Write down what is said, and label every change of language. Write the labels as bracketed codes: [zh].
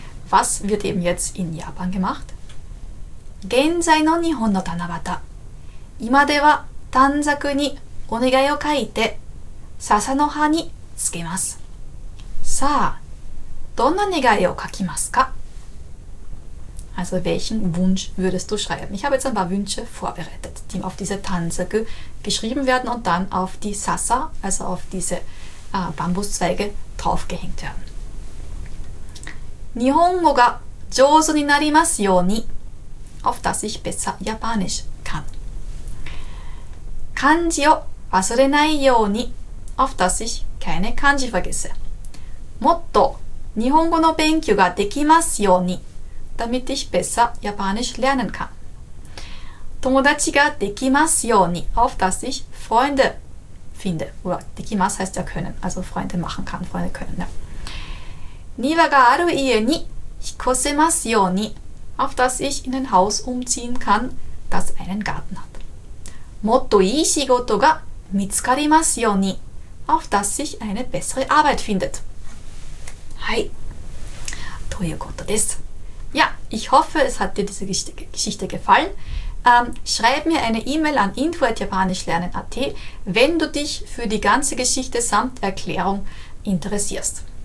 [de] Was wird eben jetzt in Japan gemacht? [ja] 現在の日本の七夕、今では短冊にお願いを書いて笹の葉につけます。さあ、どんな願いを書きますか? [de] Also, welchen Wunsch würdest du schreiben? Ich habe jetzt ein paar Wünsche vorbereitet, die auf diese Tanzsäcke geschrieben werden und dann auf die Sasa, also auf diese Bambuszweige, draufgehängt werden. [ja] 日本語が上手になりますように, [de] auf dass ich besser Japanisch kann. [ja] 漢字を忘れないように, [de] auf dass ich keine Kanji vergesse. [ja] もっと日本語の勉強ができますように。 [de] Damit ich besser Japanisch lernen kann. [ja] 友達ができますように。 [de] Auf dass ich Freunde finde. Oder できます heißt ja können. Also Freunde machen kann, Freunde können. Ja. [ja] 庭がある家に引っ越せますように。 [de] Auf dass ich in ein Haus umziehen kann, das einen Garten hat. [ja] もっといい仕事が見つかりますように。 [de] Auf dass ich eine bessere Arbeit findet. [ja] はい、ということです。 [de] Ja, ich hoffe, es hat dir diese Geschichte gefallen. Schreib mir eine E-Mail an info@japanischlernen.at, wenn du dich für die ganze Geschichte samt Erklärung interessierst.